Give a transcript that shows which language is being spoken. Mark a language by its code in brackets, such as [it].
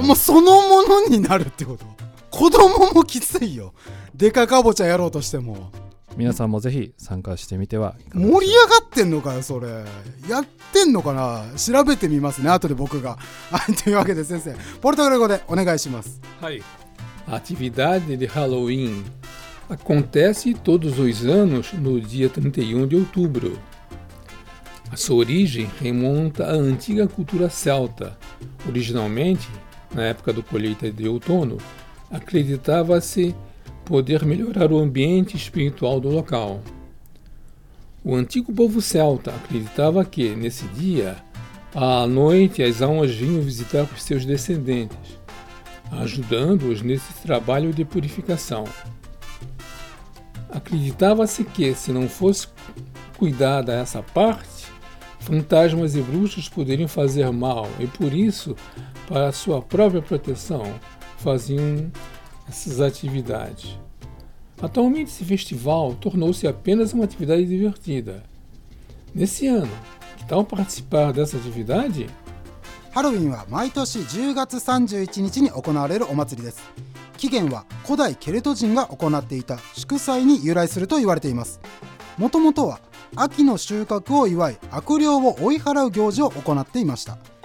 [ja] もうそのものになるってこと。子供もきついよ、デカかぼちゃやろうとしても。皆さんもぜひ参加してみてはいかがでしょうか。盛り上がってんのかよそれ。やってんのかな、調べてみますね後で僕が。というわけで先生、ポルトガル語でお願いします。はい、アティビダディでハロウィン [pt] Acontece todos os anos no dia 31 de outubro. A sua origem remonta à antiga cultura celta. Originalmente, na época da colheita de outono, acreditava-se poder melhorar o ambiente espiritual do local. O antigo povo celta acreditava que, nesse dia, à noite as almas vinham visitar os seus descendentes, ajudando-os nesse trabalho de purificação. Acreditava-se que, se não fosse cuidada essa parte, fantasmas e bruxos poderiam fazer mal e, por isso, para sua própria proteção, faziam essas atividades. Atualmente, esse festival tornou-se apenas uma atividade divertida. Nesse ano, que tal participar dessa atividade? [ja] Halloween é 毎年10月31日に行われるお祭りです。起源は古代ケルト人が行っていた祝祭に由来すると言われています。もともとは秋の収穫を祝い悪霊を追い払う行事を行っていました。